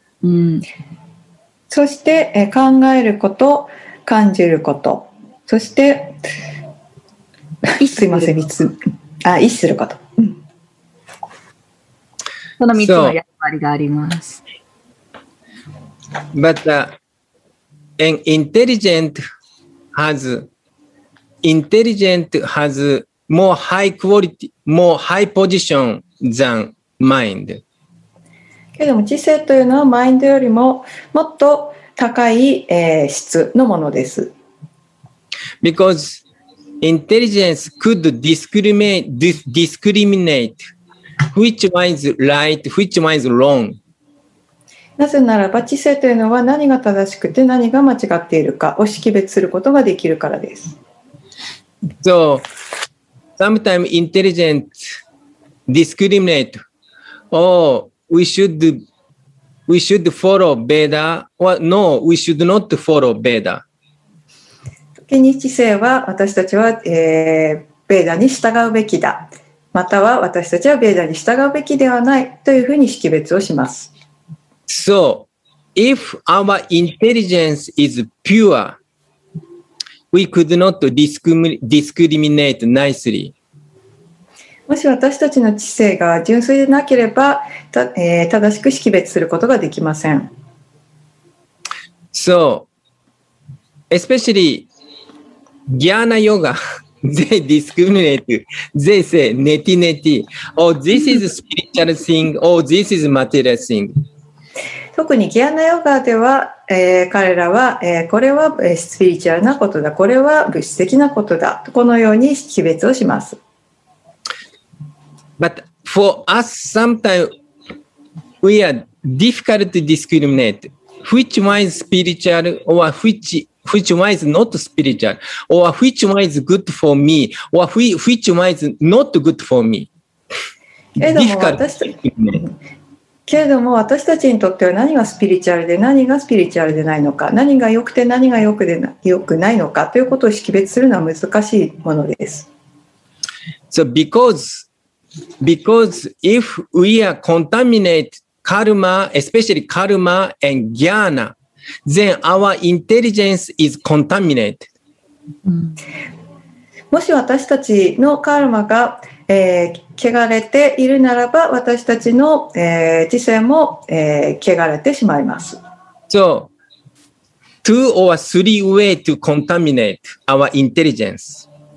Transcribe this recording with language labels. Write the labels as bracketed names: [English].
[Japanese] うん、そして、考えること、感じること、そして、意すいません、3つ。あ、意すること。この3つの役割があります。 [English] So, but、an intelligent has more high quality, more high position than mind. [Japanese] けども知性というのはマインドよりももっと高い、質のものです。 [English] Because intelligence could discriminate which one is right, which one is wrong. [Japanese] なぜならば知性というのは何が正しくて何が間違っているかを識別することができるからです。 [English] So, sometimes intelligence discriminate or we should follow Veda or no, we should not follow Veda. [Japanese] 時に知性は私たちは、Veda に従うべきだ。または私たちは Veda に従うべきではないというふうに識別をします。 [English] So, if our intelligence is pure, we could not discriminate nicely. [Japanese] もし私たちの知性が純粋でなければ、正しく識別することができません。 [English] So, especially Jnana Yoga, they discriminate, they say neti neti, or this is a spiritual thing, or this is a material thing. [Japanese] 特にギアナヨガでは、彼らは、これはスピリチュアルなことだ、これは物質的なことだ、このように識別をします。 [English] But for us, sometimes we are difficult to discriminate which one is spiritual or which one is not spiritual, or which one is good for me, or which one is not good for me. Difficult to discriminate. [Japanese] けれども私たちにとっては何がスピリチュアルで何がスピリチュアルでないのか何が良くて何が良くないのかということを識別するのは難しいものです。 [English] So because if we are contaminated karma, especially karma and jnana, then our intelligence is contaminated. [Japanese] もし私たちのカルマが汚れているならば私たちの、知性も、汚れてしまいます。 [English] So, two or three ways to contaminate our intelligence.